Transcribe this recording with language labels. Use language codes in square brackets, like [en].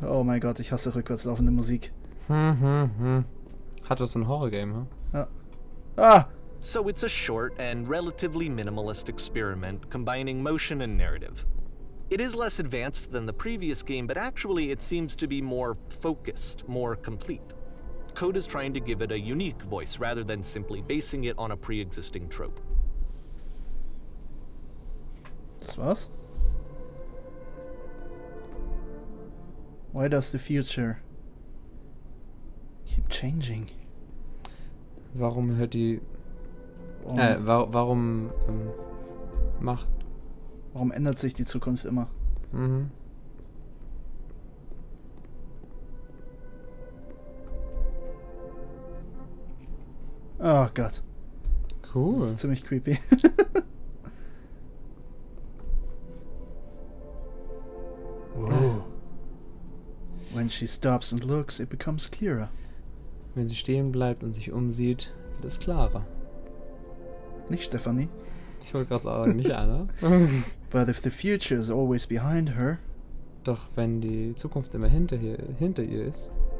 [de] Oh mein Gott, ich hasse rückwärts laufende Musik. Hat was von Horrorgame, hm? Ja. Ah! [en] So it's a short and relatively minimalist experiment combining motion and narrative. It is less advanced than the previous game, but actually it seems to be more focused, more complete. CODA is trying to give it a unique voice rather than simply basing it on a pre-existing trope. [de] Das war's? [en] Why does the future keep changing? [de] Warum hört die... warum macht... Warum ändert sich die Zukunft immer? Mhm. Oh Gott. Cool. Das ist ziemlich creepy. Wow. [en] When she stops and looks, it becomes clearer. [de] Wenn sie stehen bleibt und sich umsieht, wird es klarer. Nicht Stephanie. Ich wollte gerade sagen, nicht Anna. [en] But if the future is always behind her. [de] Doch wenn die Zukunft immer hinter ihr ist.